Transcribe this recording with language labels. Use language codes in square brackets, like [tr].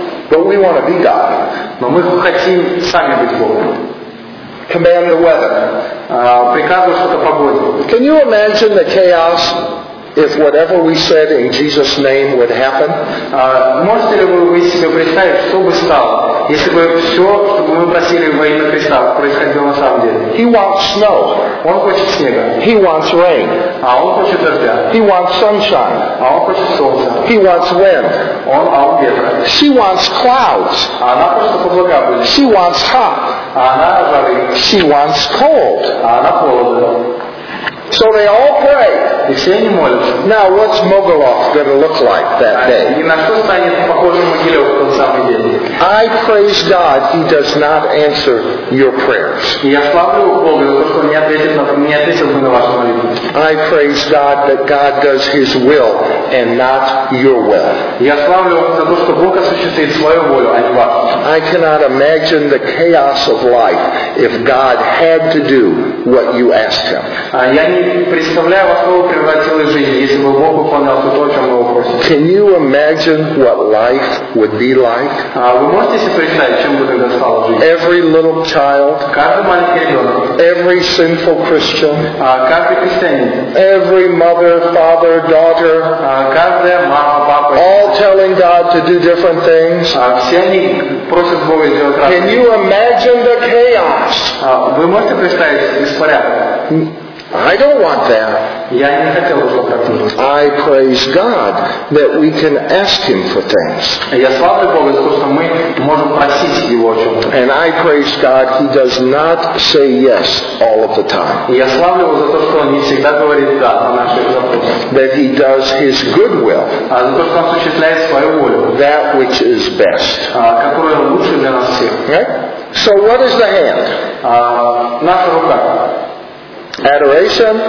[en] But we want to be God. Command the weather. Can you imagine the chaos if whatever we said in Jesus' name would happen? [ru] Можете ли вы себе представить, что бы стало, если бы все, что мы просили во имя Христа, происходило на самом деле? [en] He wants snow. [ru] Он хочет снега. [en] He wants rain. [ru] А он хочет дождя. [en] He wants sunshine. [ru] А он хочет солнца. [en] He wants wind. [ru] А он ветра. [en] She wants clouds. [ru] А она просто облака будет. [en] She wants hot. [ru] А она жары. [en] She wants cold. [ru] А она холодная. [en] So they all pray. Now, what's Mogilev going to look like that day? I praise God, He does not answer your prayers. I praise God that God does His will and not your will. I cannot imagine the chaos of life if God had to do what you asked Him. [ru] Представляю, во что бы превратилась жизнь, если бы Бог выполнял то, о чем мы его просим. [en] Can you imagine what life would be like? [ru] Вы можете себе представить, чем бы тогда стала жизнь? [en] Every little child, [ru] каждый маленький ребенок, [en] every sinful Christian, [ru] каждый христианин, [en] every mother, father, daughter, [ru] каждая мама, папа, [en] all telling God to do different things. [ru] Все они просят Бога сделать разные. [en] Can you imagine the chaos? [ru] Вы можете представить беспорядок? [en] I don't want that. [ru] Я не хотел бы такого. [en] I praise God that we can ask Him for things. [ru] Я славлю Бога за то, что мы можем просить Его о чем-то. [en] And I praise God He does not say yes all of the time. [ru] Я славлю Его за то, что Он не всегда говорит да на наши запросы. [en] That He does His good will. [ru] За то, что Он осуществляет свою волю. [en] That which is best. [ru] Которое лучше для нас всех. [en] Right? So what is the hand? [ru] Наша рука. [en] Adoration,